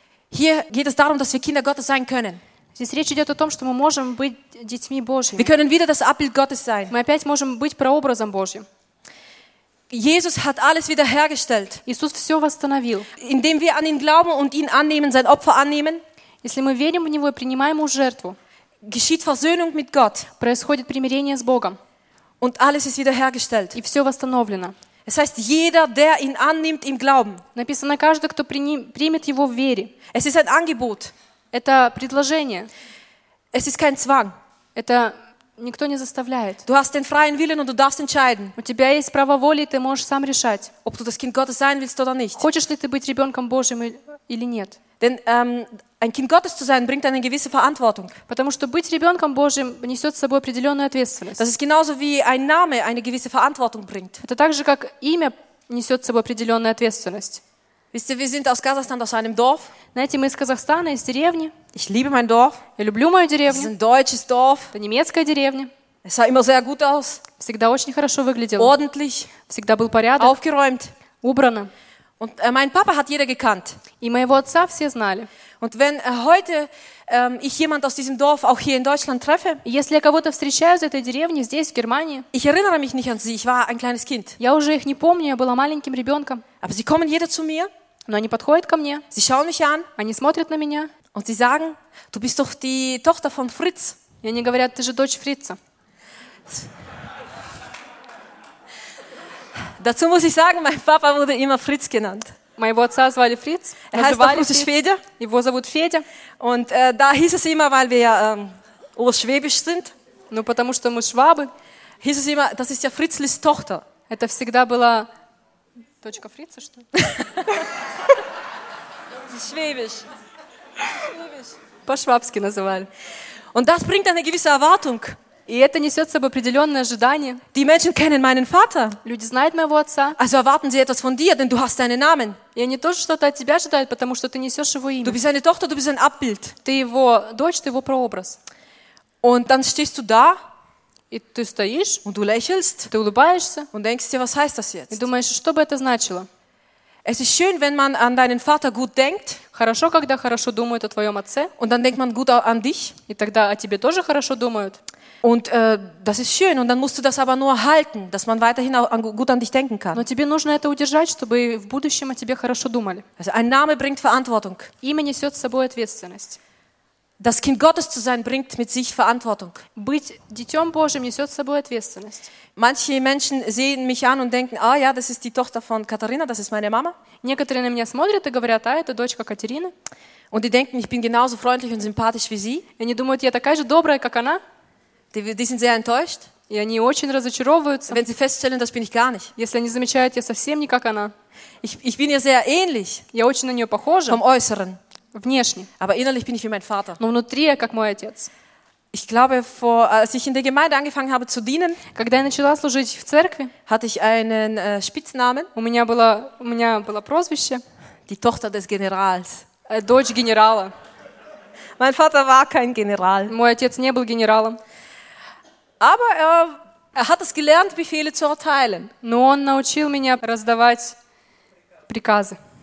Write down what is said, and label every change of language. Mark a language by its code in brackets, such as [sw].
[de] Hier geht es darum, dass wir Kinder Gottes sein können. [ru] Здесь речь идет о том, что мы можем быть детьми Божьими. [de] Wir können wieder das Abbild Gottes sein. [ru] Мы опять можем быть прообразом Божьим. [de] Jesus hat alles wiederhergestellt. [ru] Иисус все восстановил. [de] Indem wir an ihn glauben und ihn annehmen, sein Opfer annehmen, [ru] если мы верим в него и принимаем его жертву, [de] geschieht Versöhnung mit Gott. [ru] Происходит примирение с Богом. [de] Und alles ist wiederhergestellt. [ru] И все восстановлено. [de] Es heißt, jeder, der ihn annimmt im Glauben. [ru] Написано, каждый, кто примет его в вере. [de] Es ist ein Angebot. [ru] Это предложение. [de] Es ist kein Zwang. [ru] Это никто не заставляет. [de] Du hast den freien Willen und du darfst entscheiden. [ru] У тебя есть право воли, и ты можешь сам решать. [de] Ob du das Kind Gottes sein willst oder nicht. [ru] Хочешь ли ты быть ребенком Божьим или нет? [de] Denn ein Kind Gottes zu sein bringt eine gewisse Verantwortung. [ru] Потому что быть ребенком Божьим несет с собой определенную ответственность. [de] Das ist genauso wie ein Name eine gewisse Verantwortung bringt. [ru] Это так же, как имя несет с собой определенную ответственность. [de] Wisst ihr, wir sind aus Kasachstan, aus einem Dorf. [ru] Знаете, мы из Казахстана, из деревни. [de] Ich liebe mein Dorf. [ru] Я люблю мою деревню. [de] Es ist ein deutsches Dorf. [ru] Это немецкая деревня. [de] Es sah immer sehr gut aus. [ru] Всегда очень хорошо выглядело. [de] Ordentlich. [ru] Всегда был порядок. [de] Aufgeräumt. [ru] Убрано. [de] Und mein Papa hat jeder gekannt. [ru] И моего отца все знали. [de] Und wenn heute ich jemand aus diesem Dorf auch hier in Deutschland treffe, [ru] если я кого-то встречаю из этой деревни здесь в Германии, [de] ich erinnere mich nicht an sie. Ich war ein kleines Kind. [ru] Я уже их не помню, я была маленьким ребенком. [de] Aber sie kommen jeder zu mir. [ru] Но они подходят ко мне. [de] Sie schauen mich an. [ru] Они смотрят на меня. [de] Und sie sagen, du bist doch die Tochter von Fritz. [ru] И они говорят, ты же дочь Фрица. [de] Dazu muss ich sagen, mein Papa wurde immer Fritz genannt. [ru] Моего отца звали Фриц. Его зовут Федя. [de] Und da hieß es immer, weil wir Ostschwäbisch sind. [ru] Ну потому что мы швабы. [de] Hieß es immer, das ist ja Fritzlis Tochter. [ru] Это всегда была дочка Фрица, что ли? [de] Швебиш. [ru] По-швабски называли. [de] Und das bringt eine gewisse Erwartung. [ru] И это несет с собой определенное ожидание. [de] Die Menschen kennen meinen Vater. [ru] Люди знают моего отца. [de] Also erwarten sie etwas von dir, denn du hast deinen Namen. [ru] И они тоже что-то от тебя ожидают, потому что ты несешь его имя. [de] Du bist seine Tochter, du bist sein Abbild. [ru] Ты его дочь, ты его прообраз. [de] Und dann stehst du da. [ru] И ты стоишь. [de] Und du lächelst. [ru] Ты улыбаешься. [de] Und denkst dir, was heißt das jetzt? [ru] И думаешь, что бы это значило? [de] Es ist schön, wenn man an deinen Vater gut denkt. [ru] Хорошо, когда хорошо думают о твоем отце. [de] Und dann denkt man gut an dich. [ru] И тогда о тебе тоже хорошо думают. [de] Und das ist schön. Und dann musst du das aber nur halten, dass man weiterhin gut an dich denken kann. [ru] Но тебе нужно это удержать, чтобы в будущем о тебе хорошо думали. [de] Also ein Name bringt Verantwortung. [ru] Имя несет с собой ответственность. [de] Das Kind Gottes zu sein bringt mit sich Verantwortung. [ru] Быть детём Божьим несёт с собой ответственность. [de] Manche Menschen sehen mich an und denken, ah ja, das ist die Tochter von Katharina, das ist meine Mama. [ru] Некоторые на меня смотрят и говорят, а это дочка Катерины. [de] Und die denken, ich bin genauso freundlich und sympathisch wie sie. [ru] И они думают, я такая же добрая, как она. [de] Die sind sehr enttäuscht. [ru] И они очень разочаровываются. [de] Wenn sie feststellen, das bin ich gar nicht. [ru] Если они замечают, я совсем не как она. [de] Ich bin ihr sehr ähnlich. [ru] Я очень на неё похожа. [de] Vom Äußeren. [ru] Внешне. [de] Aber innerlich bin ich wie mein Vater. [ru] Но внутри я как мой отец. [de] Ich glaube, vor, als ich in der Gemeinde angefangen habe zu dienen, [ru] когда я начала служить в церкви, [de] hatte ich einen Spitznamen. [ru] У меня было прозвище. [de] Die Tochter des Generals. [ru] Дочь генерала. [de] Mein Vater war kein General. [ru] Мой отец не был генералом. [de] Aber er hat es gelernt, Befehle zu erteilen. [ru] Но он научил меня раздавать приказы.